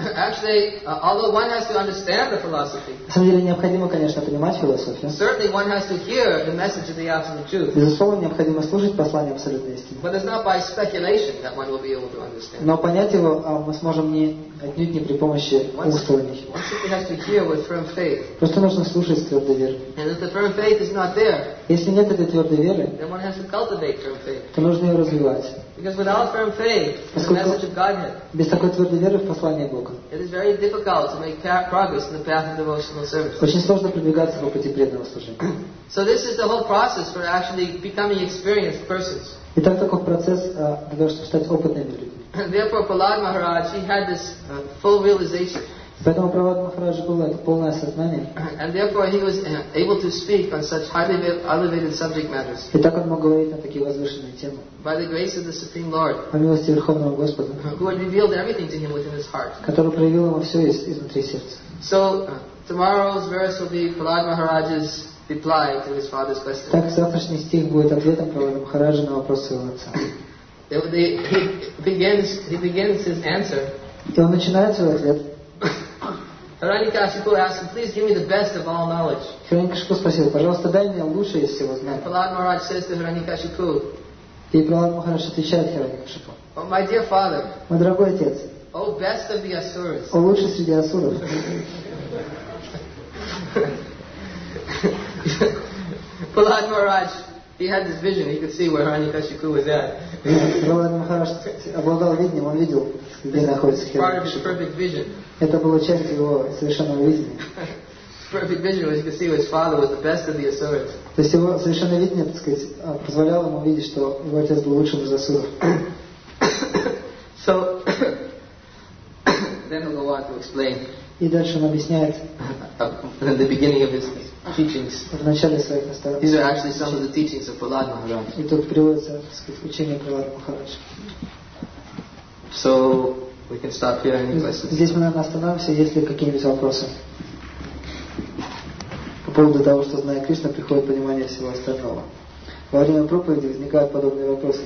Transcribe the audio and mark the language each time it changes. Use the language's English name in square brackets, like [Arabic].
[English] Actually, although one has to understand the philosophy, [Russian] на самом деле необходимо, конечно, понимать философию. [English] Certainly one has to hear the message of the absolute truth. [Russian] Безусловно, необходимо слушать послание абсолютной истины. [English] But it's not by speculation that one will be able to understand. [Russian] Но понять его мы сможем не отнюдь не при помощи устных. [English] One simply has to hear with firm faith. [Russian] Просто нужно слушать с твердой верой. [English] And if the firm faith is not there, [Russian] если нет этой твердой веры, [English] then one has to cultivate firm faith. [Russian] То нужно ее развивать. [English] Because without firm faith, the message of Godhead, [Russian] без такой твердой веры в послание Бога, [English] it is very difficult to make progress in the path of devotional service. [Russian] Очень сложно продвигаться по пути преданного служения. [English] So this is the whole process for actually becoming experienced persons. [Russian] Итак, такой процесс для того, чтобы стать опытными людьми. [English] Therefore, Prahlad Maharaj, he had this full realization. [Russian] Поэтому Прахлад Махарадж был это полное сознание. [English] And therefore he was able to speak on such highly elevated subject matters. [Russian] И так он мог говорить на такие возвышенные темы. [English] By the grace of the Supreme Lord. [Russian] По милости Верховного Господа. [English] Who had revealed everything to him within his heart. [Russian] Который проявил ему все изнутри сердца. [English] So tomorrow's verse will be Prahlad Maharaj's reply to his father's question. [Russian] Так завтрашний стих будет ответом Прахлад Махараджа на вопрос своего отца. [English] He begins his answer. [Russian] И он начинает свой ответ. [English] Hiranyakashipu asked him, please give me the best of all knowledge. [Russian] Hiranyakashipu спросил, пожалуйста, дай мне лучшее из всего знания. [English] Prahlad Maharaj says to Hiranyakashipu. [Russian] И Prahlad Maharaj отвечает Hiranyakashipu. [English] Oh, my dear father. [Russian] Мой дорогой отец. [English] Oh, best of the asuras. [Russian] О лучший среди асуров. [English] Prahlad Maharaj, he had this vision. He could see where Hiranyakashipu was at. [Russian] Prahlad Maharaj обладал видением, он видел, где находится Hiranyakashipu. Это была часть его совершенного видения. [English] Perfect vision, as you can see, his father was the best of the asuras. [Russian] То есть его совершенное видение, так сказать, позволяло ему видеть, что его отец был лучшим из асуров. [English] So then he'll go on to explain. [Russian] И дальше он объясняет. [English] In the beginning of his teachings. [Russian] В начале своих наставлений. [English] These are actually some of the teachings of Prahlad Maharaj. [Russian] И тут приводится, так сказать, учение Прахлад Махараджа. [English] So we can stop here. Any questions? [Russian] Здесь мы, наверное, остановимся, если какие-нибудь вопросы. По поводу того, что, зная Кришну, приходит понимание всего остального. Во время проповеди возникают подобные вопросы.